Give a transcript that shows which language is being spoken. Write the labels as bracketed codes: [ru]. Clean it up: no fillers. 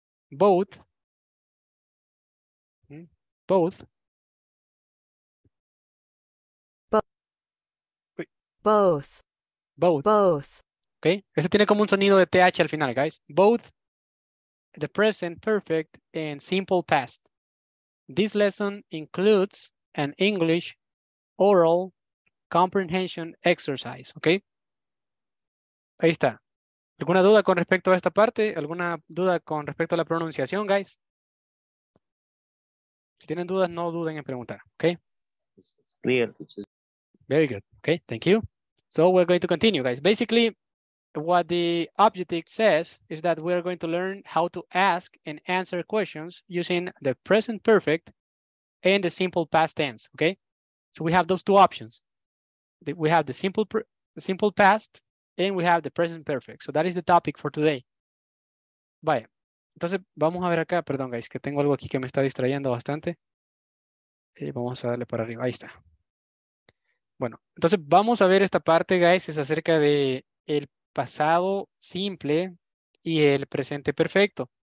[en] Both. Both. Both. Both. Both. Okay. [es] Este tiene como un sonido de TH al final, guys. [en] Both. The present perfect and simple past. This lesson includes an English oral comprehension exercise. [es] Okay. Ahí está. ¿Alguna duda con respecto a esta parte? ¿Alguna duda con respecto a la pronunciación, guys? Si tienen dudas, no duden en preguntar, ¿ok? [en] It's clear. Very good, ok, thank you. So we're going to continue, guys. Basically, what the objective says is that we're going to learn how to ask and answer questions using the present perfect and the simple past tense, ok? So we have those two options. We have the simple past, and we have the present perfect. So that is the topic for today. [es] Vaya. Entonces, vamos a ver acá. Perdón, guys, que tengo algo aquí que me está distrayendo bastante. Y vamos a darle para arriba. Ahí está. Bueno, entonces vamos a ver esta parte, guys. Es acerca de el pasado simple y el presente perfecto.